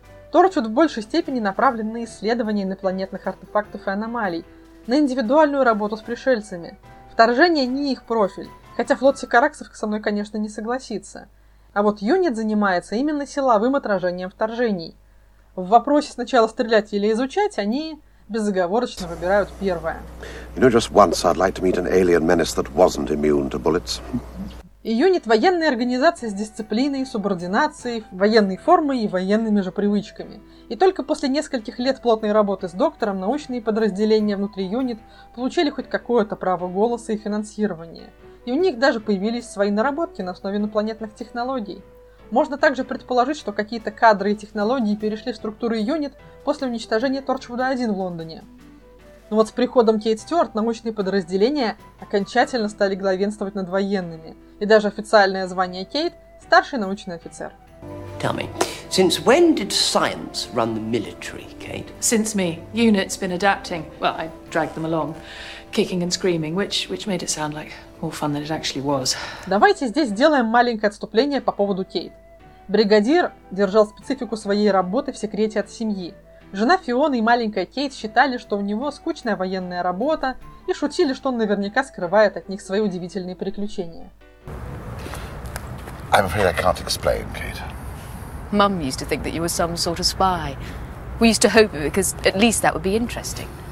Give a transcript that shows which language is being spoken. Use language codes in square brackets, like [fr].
[ru] Торчвуд в большей степени направлен на исследование инопланетных артефактов и аномалий, на индивидуальную работу с пришельцами. Вторжение не их профиль, хотя флот Сикараксов со мной, конечно, не согласится. А вот Юнит занимается именно силовым отражением вторжений. В вопросе сначала стрелять или изучать они безоговорочно выбирают первое. [en] You know, just once I'd like to meet an alien menace that wasn't immune to bullets. [ru] И Юнит – военная организация с дисциплиной, субординацией, военной формой и военными же привычками. И только после нескольких лет плотной работы с доктором научные подразделения внутри Юнит получили хоть какое-то право голоса и финансирование. И у них даже появились свои наработки на основе инопланетных технологий. Можно также предположить, что какие-то кадры и технологии перешли в структуры Юнит после уничтожения Торчвуда-1 в Лондоне. Но вот с приходом Кейт Стюарт научные подразделения окончательно стали главенствовать над военными. И даже официальное звание Кейт – старший научный офицер. [en] Tell me, since when did science run the military, Kate? Since me. Unit's been adapting. Well, I dragged them along, kicking and screaming, which made it sound like more fun than it actually was. [ru] Давайте здесь сделаем маленькое отступление по поводу Кейт. Бригадир держал специфику своей работы в секрете от семьи. Жена Фиона и маленькая Кейт считали, что у него скучная военная работа, и шутили, что он наверняка скрывает от них свои удивительные приключения. [en] I'm afraid I can't explain, Kate. Mum used to think that you were some sort of spy. We used to hope it because at least that would be interesting.